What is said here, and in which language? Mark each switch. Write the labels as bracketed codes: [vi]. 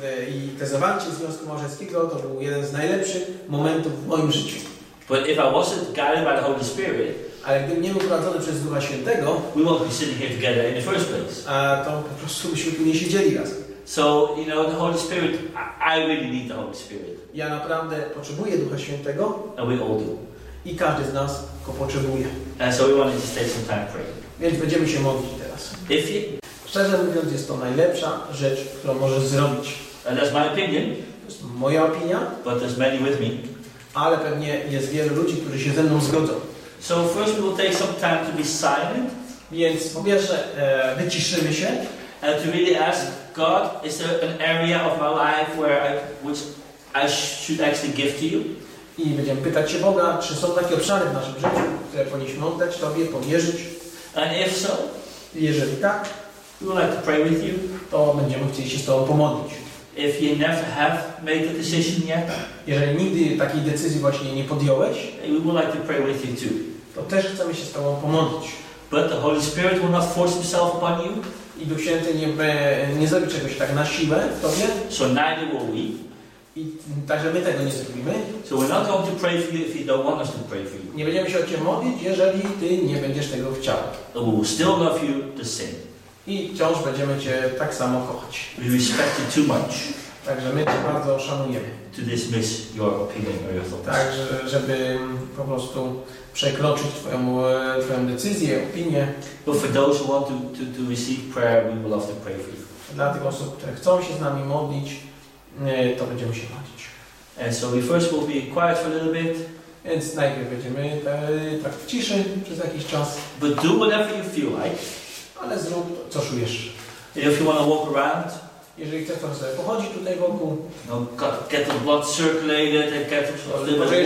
[pl] I te zawarcie związku małżeńskiego to był jeden z najlepszych momentów w moim życiu. [en] But if I wasn't guided by the Holy Spirit, [pl] ale gdybym nie był prowadzony przez Ducha Świętego, [en] we won't be sitting here together in the first place. [pl] To po prostu byśmy tu nie siedzieli razem. [en] So, you know, the Holy Spirit, I really need the Holy Spirit. [pl] Ja naprawdę potrzebuję Ducha Świętego. [en] And we all do. [pl] I każdy z nas go potrzebuje. [en] And so we wanted to take some time praying. [pl] Więc będziemy się modlić teraz. [en] If you... [pl] Szczerze mówiąc, jest to najlepsza rzecz, którą możesz zrobić. [en] And that's my opinion. [pl] To jest moja opinia. [en] But there's many with me. [pl] Ale pewnie jest wielu ludzi, którzy się ze mną zgodzą. [en] So first we'll take some time to be silent. [pl] Więc po pierwsze, wyciszymy się. [en] And to really ask God, is there an area of my life where which I should actually give to you? [pl] I będziemy pytać się Boga, czy są takie obszary w naszym życiu, które powinniśmy oddać Tobie, powierzyć. [en] And if so, [pl] jeżeli tak, [en] we would like to pray with you, [pl] to będziemy chcieli się z Tobą pomodlić. [en] If you never have made the decision yet, [pl] jeżeli nigdy takiej decyzji właśnie nie podjąłeś, [en] we would like to pray with you too. [pl] To też chcemy się z Tobą pomodlić. [en] But the Holy Spirit will not force Himself upon you. [pl] I Duch Święty nie zrobi czegoś tak na siłę w Tobie. [en] So neither will we. [pl] I także my tego nie zrobimy. [en] So we're not going to pray for you if you don't want us to pray for you. [pl] Nie będziemy się o Cię modlić, jeżeli Ty nie będziesz tego chciał. [en] So we will still love you the same. [pl] I wciąż będziemy Cię tak samo kochać. [en] We respect you too much. [pl] Także my Cię bardzo szanujemy. [en] To dismiss your opinion or your thoughts. [pl] Tak, żeby po prostu przekroczyć twoją decyzję, opinię. [en] But for those who want to receive prayer, we would love to pray for you. [pl] Dla tych osób, które chcą się z nami modlić, to będziemy się modlić. [en] And so we first will be quiet for a little bit. [pl] Więc najpierw będziemy tak w ciszy przez jakiś czas. [en] But do whatever you feel like. [pl] Ale zrób to, co czujesz. [en] If you want to walk around. [pl] Jeżeli chcesz sobie pochodzić tutaj wokół. [en] No, get the blood circulated and get the liver